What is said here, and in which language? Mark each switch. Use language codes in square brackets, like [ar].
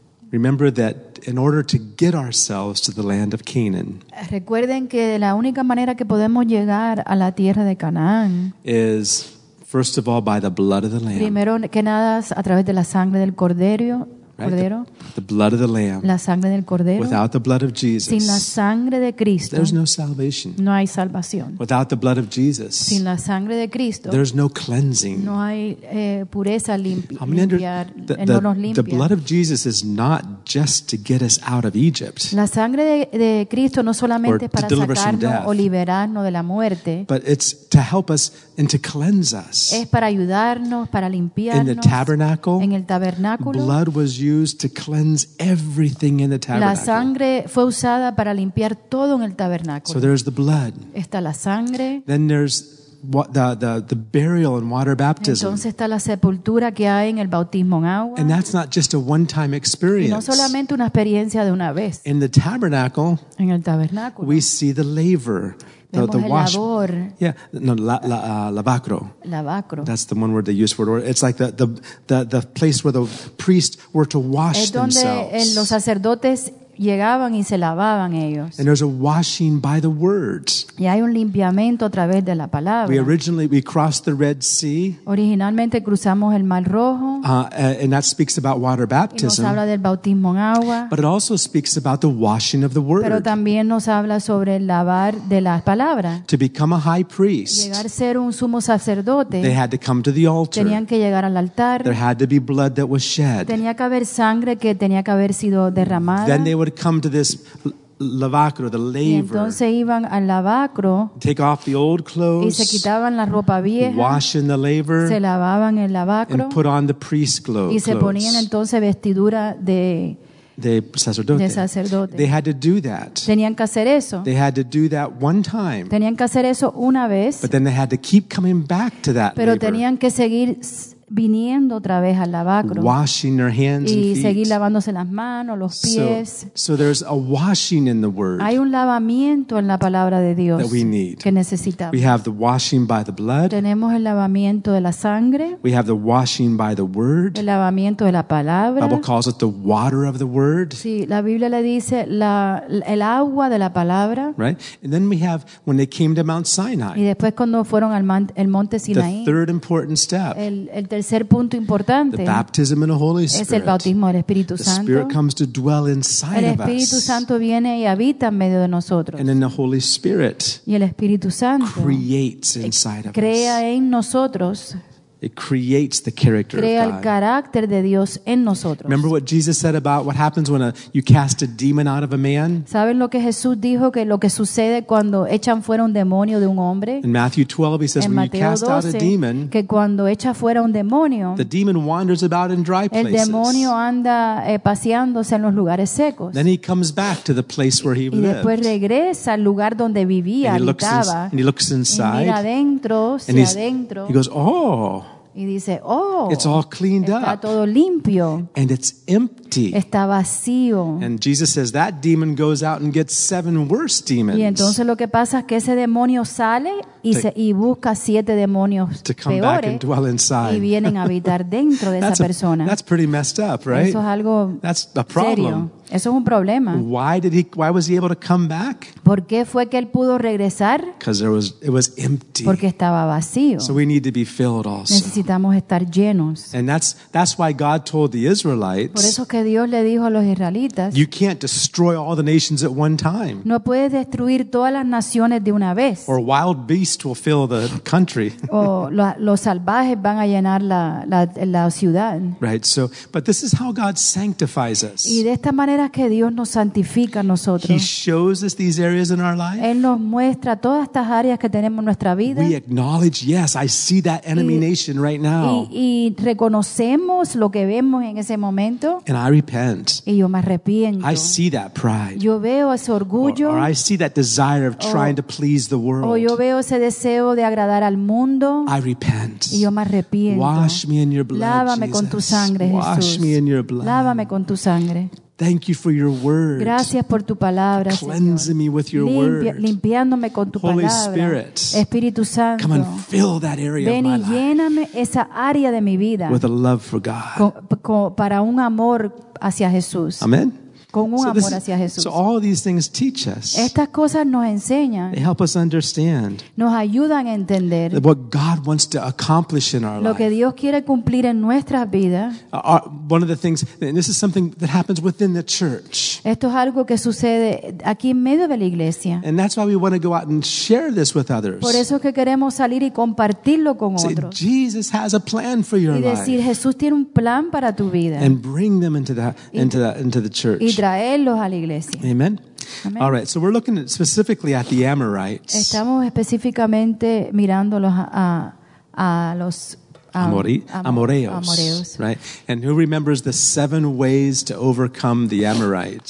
[en] Remember that in order to get ourselves to the land of Canaan, [es] recuerden que la única manera que podemos llegar a la tierra de Canaán [en] is first of all by the blood of the lamb. [es] Primero que nada a través de la sangre del cordero. Cordero. [en] The blood of the lamb. [es] La sangre del cordero. [en] Without the blood of Jesus, [es] sin la sangre de Cristo, [en] there's no salvation. [es] No hay salvación. [en] Without the blood of Jesus, [es] sin la sangre de Cristo, [en] there's no cleansing. [es] No hay pureza limpia. The [en] blood of Jesus is not just to get us out of Egypt. [es] La sangre de Cristo no solamente para sacarnos o liberarnos de la muerte, [en] but it's to help us and to cleanse us. [es] Es para ayudarnos, para limpiarnos. [en] In the tabernacle, [es] en el tabernáculo, [en] blood was used to cleanse everything in the tabernacle. [es] La sangre fue usada para limpiar todo en el tabernáculo. [en] So there's the blood. [es] Está la sangre. [en] Then there's the burial and water baptism. [es] Entonces está la sepultura que hay en el bautismo en agua. [en] And that's not just a one-time experience. [es] Y no solamente una experiencia de una vez. [en] In the tabernacle, [es] en el tabernáculo, [en] we see the laver. The wash, labor. Yeah, no, lavacro. [es] Lavacro. [en] That's the one word they use for it. It's like the place where the priests were to wash themselves. [es] Es donde los sacerdotes llegaban y se lavaban ellos. [en] And there's a washing by the word. [es] Y hay un limpiamiento a través de la palabra. [en] We crossed the Red Sea. [es] Originalmente cruzamos el Mar Rojo. [en] And that speaks about water baptism. [es] Y nos habla del bautismo en agua. [en] But it also speaks about the washing of the word. [es] Pero también nos habla sobre el lavar de las palabras. [en] To become a high priest, [es] llegar a ser un sumo sacerdote, [en] they had to come to the altar. [es] Tenían que llegar al altar. [en] There had to be blood that was shed. [es] Tenía que haber sangre que tenía que haber sido derramada. [en] Then they would come to this lavacro, the laver. [es] Y entonces iban al lavacro, [en] take off the old clothes. [es] Y se quitaban la ropa vieja. [en] Wash in the laver. [es] Se lavaban el lavacro. [en] And put on the priest clothes. [es] Y se ponían entonces vestidura de sacerdote. De sacerdote. [en] They had to do that. [es] Tenían que hacer eso. [en] They had to do that one time. [es] Tenían que hacer eso una vez. [en] But then they had to keep coming back to that. [es] Pero [en] labor. [es] Tenían que seguir viniendo otra vez al lavacro, [en] washing their hands [es] y [en] and feet. [es] Seguir lavándose las manos, los pies. [en] So there's a washing in the word. [es] Hay un lavamiento en la palabra de Dios [en] that we need. [es] Que necesitamos. [en] We have the washing by the blood. [es] Tenemos el lavamiento de la sangre. [en] We have the washing by the word. [es] El lavamiento de la palabra. [en] The Bible calls it the water of the word. [es] Sí, la Biblia le dice el agua de la palabra. [en] Right? And then we have when they came to Mount Sinai. [es] Y después cuando fueron al el monte Sinaí. [en] The third important step. [es] El tercer punto importante es el bautismo del Espíritu Santo. El Espíritu Santo viene y habita en medio de nosotros. [en] And then the Holy Spirit [es] y el Espíritu Santo [en] creates inside [es] crea en nosotros [en] It creates the character [es] crea [en] of God. [es] El carácter de Dios en nosotros. [en] Remember what Jesus said about what happens when you cast a demon out of a man? [es] ¿Saben lo que Jesús dijo que lo que sucede cuando echan fuera un demonio de un hombre? [en] In Matthew 12 he says when you cast 12, out a demon, [es] que cuando echa fuera un demonio, [en] the demon wanders about in dry places. [es] El demonio anda paseándose en los lugares secos. [en] Then he comes back to the place where he [es] y [en] lived. [es] Y después regresa al lugar donde vivía, [en] and [es] habitaba. [en] And he looks inside. [es] Y mira adentro, [en] and [es] si adentro. [en] He goes, "Oh." [es] Y dice, oh, [en] it's all cleaned [es] está [en] up. [es] Está todo limpio. [en] And it's empty. [es] Está vacío. [en] And Jesus says that demon goes out and gets seven worse demons. [es] Y entonces lo que pasa es que ese demonio sale y busca siete demonios peores. [en] To come back and dwell inside. [es] Y vienen a habitar dentro de esa persona. [en] That's pretty messed up, right? [es] Eso es algo [en] that's a problem. [es] Serio. Eso es un problema. [en] Why was he able to come back? [es] ¿Por qué fue que él pudo regresar? [en] Because it was empty. [es] Porque estaba vacío. [en] So we need to be filled also. [es] Necesitamos estar llenos. [en] And that's why God told the Israelites. [es] Por eso es que Dios le dijo a los israelitas. [en] You can't destroy all the nations at one time. [es] No puedes destruir todas las naciones de una vez. [en] Or wild beasts will fill the country. [es] O los salvajes van a llenar la ciudad. [en] Right. So, but this is how God sanctifies us. [es] Y de esta manera que Dios nos santifica a nosotros. [en] He shows us these areas in our life. [es] Él nos muestra todas estas áreas que tenemos en nuestra vida. [en] We acknowledge, yes, I see that enemy nation right now. [es] Y reconocemos lo que vemos en ese momento. [en] And I repent. [es] Y yo me arrepiento. [en] I see that pride. [es] Yo veo ese orgullo. [en] Or I see that desire of trying to please the world. [es] O yo veo ese deseo de agradar al mundo. [en] I repent. [es] Y yo me arrepiento. [en] Wash me in your blood. [es] Lávame [en] Jesus. [es] Con tu sangre, Jesús. [en] Wash me in your blood. [es] Lávame con tu sangre. [en] Thank you for your word. [es] Gracias por tu palabra, [en] cleansing [es] Señor. [en] Me with your word. [es] Limpiándome con tu [en] Holy [es] palabra. [en] Spirit, [es] Espíritu Santo. [en] Come and fill that area of my [es] ven y [en] life [es] lléname esa área de mi vida. [en] With a love for God. [es] Para un amor hacia Jesús. [en] Amen. [es] Con un amor hacia Jesús. [en] So all these things teach us. [es] Estas cosas nos enseñan. [en] They help us understand. [es] Nos ayudan a entender. [en] What God wants to accomplish in our life. [es] Lo que Dios quiere cumplir en nuestras vidas. [en] One of the things, and this is something that happens within the church. [es] Esto es algo que sucede aquí en medio de la iglesia. [en] And that's why we want to go out and share this with others. [es] Por eso es que queremos salir y compartirlo con otros. [en] Say, Jesus has a plan for your life. [es] Y decir, Jesús tiene un plan para tu vida. [en] And bring them into the church. [es] Y traerlos a la iglesia. [en] Amen. Amen. All right, so we're looking specifically at the Amorites. [es] Estamos específicamente mirándolos a los [en] Amoreos. Right? And who remembers the seven ways to overcome the Amorites?